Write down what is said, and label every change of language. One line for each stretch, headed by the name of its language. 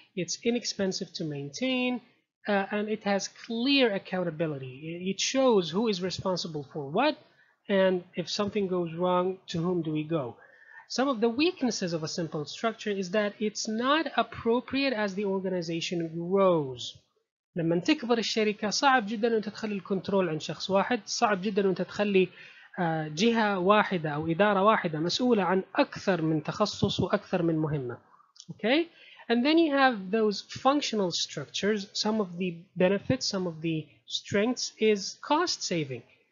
English: It's inexpensive to maintain, and it has clear accountability. It shows who is responsible for what, and if something goes wrong, to whom do we go? Some of the weaknesses of a simple structure is that it's not appropriate as the organization grows.
Arabic: لما تكبر الشركة صعب جدا أن تتخلي الكنترول عند شخص واحد, صعب جدا أن تتخلي جهة واحدة أو إدارة واحدة مسؤولة عن أكثر من تخصص وأكثر من مهمة.
English: Okay? And then you have those functional structures. Some of the benefits, some of the strengths is cost saving.